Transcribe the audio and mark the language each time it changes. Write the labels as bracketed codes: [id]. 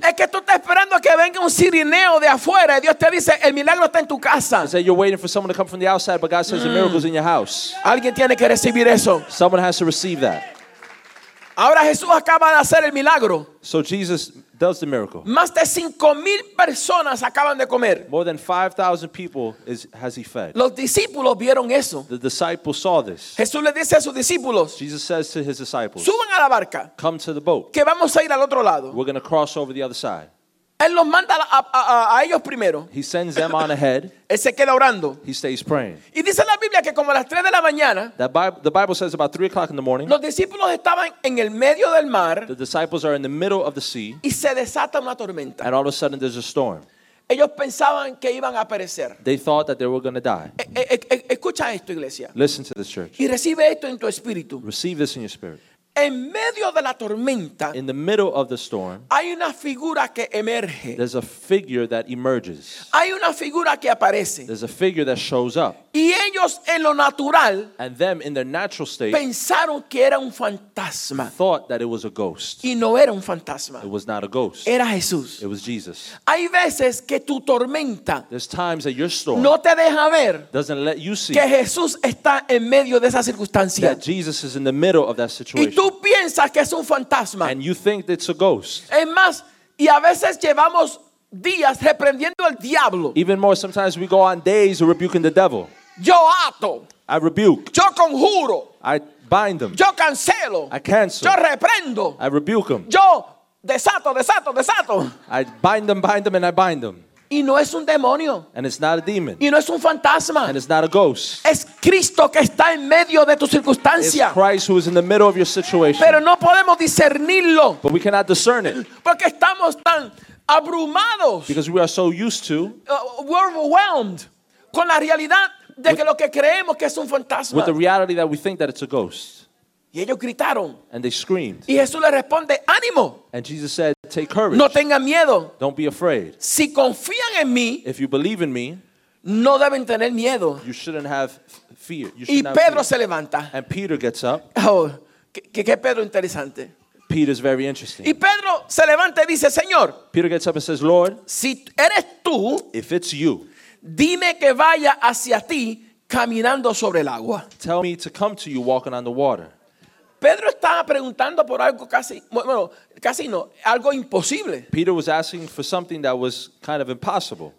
[es] Es que tú estás esperando que venga un sirineo de afuera y Dios te dice el milagro está en tu casa. [en] You say you're waiting for someone to come from the outside, but God says the miracle is in your house. [es] Alguien tiene que recibir eso. [en] Someone has to receive that. [es] Ahora Jesús acaba de hacer el milagro. [en] So Jesus does the miracle. [es] Más de 5,000 personas acaban de comer. [en] More than 5,000 people has he fed. [es] Los discípulos vieron eso. [en] The disciples saw this. [es] Jesús le dice a sus discípulos. [en] Jesus says to his disciples. [es] Suban a la barca. [en] Come to the boat. [es] Que vamos a ir al otro lado. [en] We're going to cross over the other side. [es] Él los manda a ellos primero. [en] He sends them on ahead. [es] Él se queda orando. [en] He stays praying. [es] Y dice la Biblia que como a las 3 de la mañana. [en] The Bible says about 3 o'clock in the morning. [es] Los discípulos estaban en el medio del mar. [en] The disciples are in the middle of the sea. [es] Y se desata una tormenta. [en] And all of a sudden there's a storm. [es] Ellos pensaban que iban a perecer. [en] They thought that they were going to die. [es] Escucha esto, iglesia. [en] Listen to this, church. [es] Y recibe esto en tu espíritu. [en] Receive this in your spirit. [es] En medio de la tormenta, [en] in the middle of the storm, [es] hay una figura que emerge. [en] There's a figure that emerges. [es] Hay una figura que aparece. [en] There's a figure that shows up. [es] Y ellos en lo natural, [en] and them in their natural state, [es] pensaron que era un fantasma. [en] Thought that it was a ghost. [es] Y no era un fantasma. [en] It was not a ghost. [es] Era Jesús. [en] It was Jesus. [es] Hay veces que tu tormenta, [en] there's times that your storm, [es] no te deja ver, [en] doesn't let you see, [es] que Jesús está en medio de esa circunstancia. [en] That Jesus is in the middle of that situation. [es] Tú piensas que es un fantasma. [en] And you think it's a ghost. [es] Es más, y a veces llevamos días reprendiendo al diablo. [en] Even more, sometimes we go on days rebuking the devil. [es] Yo ato. [en] I rebuke. [es] Yo conjuro. [en] I bind them. [es] Yo cancelo. [en] I cancel. [es] Yo reprendo. [en] I rebuke them. [es] Yo desato, desato, desato. [en] I bind them, and I bind them. [es] Y no es un demonio. [en] And it's not a demon. [es] Y no es un fantasma. [en] And it's not a ghost. [es] Es Cristo que está en medio de tu circunstancia. [en] It's Christ who is in the middle of your situation. [es] Pero no podemos discernirlo. [en] But we cannot discern it. [es] Porque estamos tan abrumados. [en] Because we are so used to. We're overwhelmed [es] con la realidad de que lo que creemos que es un fantasma. [en] With the reality that we think that it's a ghost. [es] Y ellos gritaron. [en] And they screamed. [es] Y Jesús le responde, ánimo. [en] And Jesus said, take courage. [es] No tengan miedo. [en] Don't be afraid. [es] Si confían en mí, [en] if you believe in me, [es] no deben tener miedo. [en] You shouldn't have fear. You [es] y Pedro se levanta. [en] And Peter gets up. [es] Oh, que Pedro interesante. [en] Peter's very interesting. [es] Y Pedro se levanta y dice, Señor, [en] Peter gets up and says, Lord, [es] si eres tú, [en] if it's you, [es] dime que vaya hacia ti caminando sobre el agua. [en] Tell me to come to you walking on the water. [es] Pedro estaba preguntando por algo casi, bueno, casi no, algo imposible. [en] Peter was asking for something that was kind of impossible.